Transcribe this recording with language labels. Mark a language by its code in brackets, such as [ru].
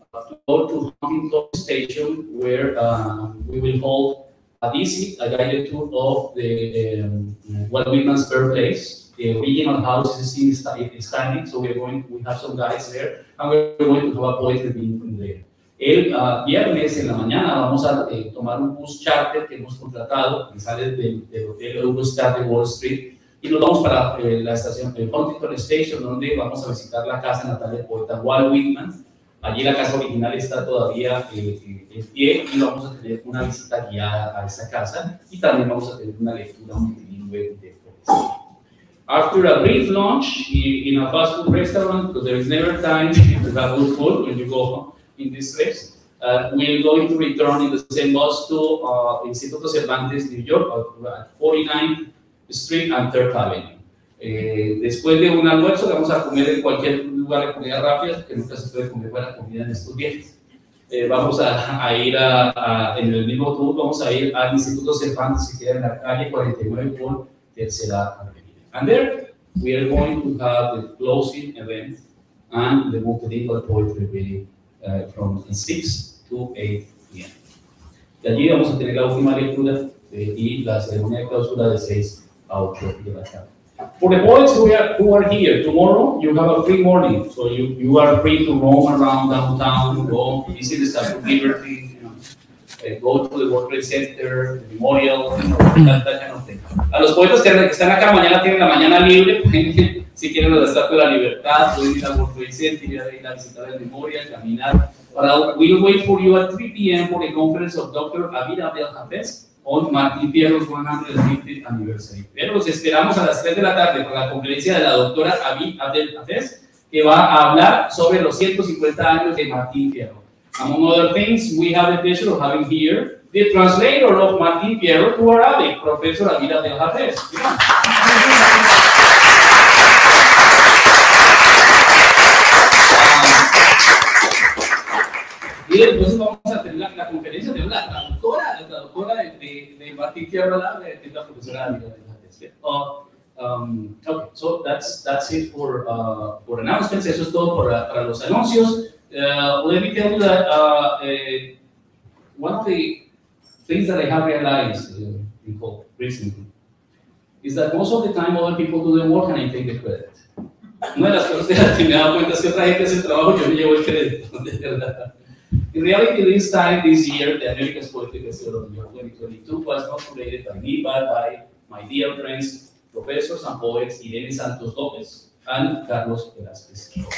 [en] To go to Huntington Station, where we will hold a visit, a guided tour of the Walt Whitman's birthplace. The original house is in standing, so we have some guys there, and we're going to have a poetry meeting from there. [es] El viernes en la mañana vamos a tomar un bus charter que hemos contratado, que sale del hotel Eurostar de Wall Street. Y nos vamos para la estación de Huntington Station, donde vamos a visitar la casa natal del poeta Walt Whitman. Allí la casa original está todavía en pie y vamos a tener una visita guiada a esa casa y también vamos a tener una lectura multilingüe de poesía. [en] After a brief lunch in a fast food restaurant, because there is never time to have good food when you go in this place, we're going to return in the same bus to Instituto Cervantes, New York, at 49 Street and Third Avenue. [es] Después de un almuerzo, vamos a comer en cualquier lugar de comida rápida, que nunca se puede comer buena comida en estos días. vamos a ir a en el mismo tour, vamos a ir al Instituto Cervantes, que queda en la calle 49 por Tercera Avenida. [en] And there, we are going to have the closing event and the multilingual poetry reading from 6 to 8 p.m. [es] De allí vamos a tener la última lectura y la ceremonia de clausura de 6 a 8 de la tarde. [en] For the poets who are here, tomorrow you have a free morning, so you are free to roam around downtown, go visit the Statue of Liberty, go to the World Trade Center, the memorial, that kind of thing. [es] A los poetas que están acá mañana tienen la mañana libre, si quieren a la Estatua de la Libertad, pueden ir al World Trade Center, ir a visitar el memorial, caminar. [en] But we'll wait for you at 3 p.m. for the conference of Dr. Avila Belhapes on Martín Fierro's 150th anniversary. [es] Pero los esperamos a las 3 de la tarde con la conferencia de la doctora Abby Abdel-Hafez, que va a hablar sobre los 150 años de Martín Fierro. [en] Among other things, we have the pleasure of having here the translator of Martín Fierro to Arabic, Professor Abby Abdel-Hafez. [es] Y después vamos a tener la conferencia de la traductora de Martín Fierro, de la profesora de la [en] okay, so that's it for announcements. [es] Eso es todo para los anuncios. [en] Let me tell you that one of the things that I have realized in COVID recently is that most of the time other people do the work and I take the credit. [es] Una de las cosas de las que me he dado cuenta es que otra gente hace el trabajo y yo me llevo el crédito, de verdad. [en] In reality, this time, this year, the America's Poetry Festival of New York 2022 was not created by me, but by my dear friends, professors and poets, Irene Santos López and Carlos Velázquez.